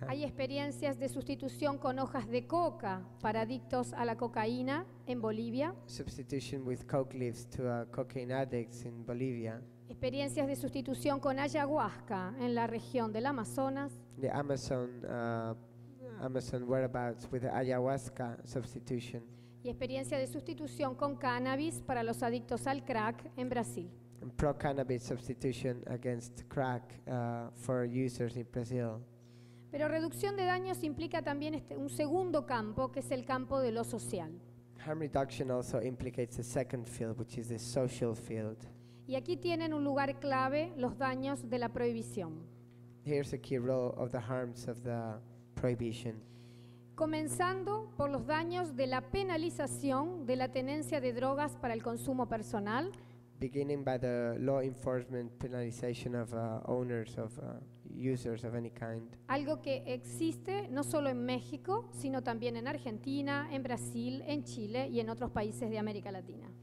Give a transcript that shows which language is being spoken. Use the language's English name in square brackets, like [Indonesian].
[Spanish] Hay experiencias de sustitución con hojas de coca para adictos a la cocaína en Bolivia. [English] Substitution with coke leaves to cocaine addicts in Bolivia. [Spanish] Experiencias de sustitución con ayahuasca en la región del Amazonas. [English] The Amazon, Amazon whereabouts with the ayahuasca substitution. [Spanish] Y experiencia de sustitución con cannabis para los adictos al crack en Brasil. [English] Pro cannabis substitution against crack for users in Brazil. [Spanish] Pero reducción de daños implica también un segundo campo, que es el campo de lo social. [English] Harm reduction also implicates a second field, which is the social field. [Spanish] Y aquí tienen un lugar clave los daños de la prohibición. [English] Here's a key role of the harms of the prohibition. [Spanish] Comenzando por los daños de la penalización de la tenencia de drogas para el consumo personal. [English] Beginning by the law enforcement penalization of owners of users of any kind. [Spanish] Algo que existe no solo en México, sino también en Argentina, en Brasil, en Chile y en otros países de América Latina.